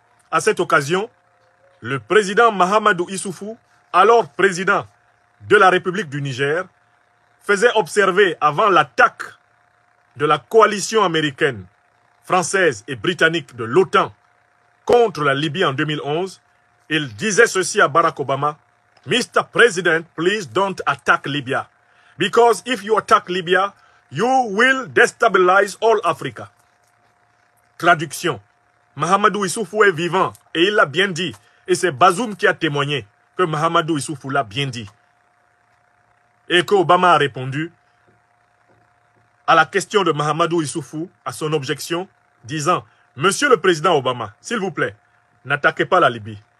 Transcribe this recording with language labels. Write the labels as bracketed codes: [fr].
[fr] À cette occasion, le président Mahamadou Issoufou, alors président de la République du Niger, faisait observer avant l'attaque de la coalition américaine, française et britannique de l'OTAN contre la Libye en 2011. Il disait ceci à Barack Obama, « Mr. [en] President, please don't attack Libya. » Because if you attack Libya, you will destabilize all Africa. [fr] Traduction. Mahamadou Issoufou est vivant et il l'a bien dit. Et c'est Bazoum qui a témoigné que Mahamadou Issoufou l'a bien dit. Et que Obama a répondu à la question de Mahamadou Issoufou, à son objection, disant « Monsieur le Président Obama, s'il vous plaît, n'attaquez pas la Libye.